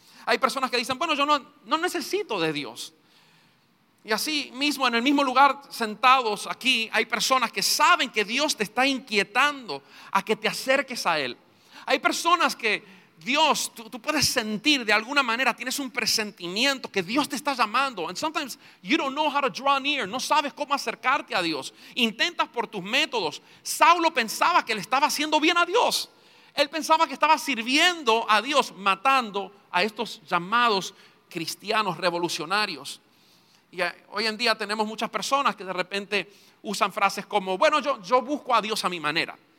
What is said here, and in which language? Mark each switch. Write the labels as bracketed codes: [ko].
[es] Hay personas que dicen: bueno, yo no necesito de Dios. Y así mismo, en el mismo lugar, sentados aquí, hay personas que saben que Dios te está inquietando a que te acerques a Él. Hay personas que Dios, tú puedes sentir de alguna manera, tienes un presentimiento que Dios te está llamando. [en] And sometimes you don't know how to draw near. [es] No sabes cómo acercarte a Dios. Intentas por tus métodos. Saulo pensaba que le estaba haciendo bien a Dios. Él pensaba que estaba sirviendo a Dios, matando a estos llamados cristianos revolucionarios. Y hoy en día tenemos muchas personas que de repente usan frases como: bueno, yo busco a Dios a mi manera.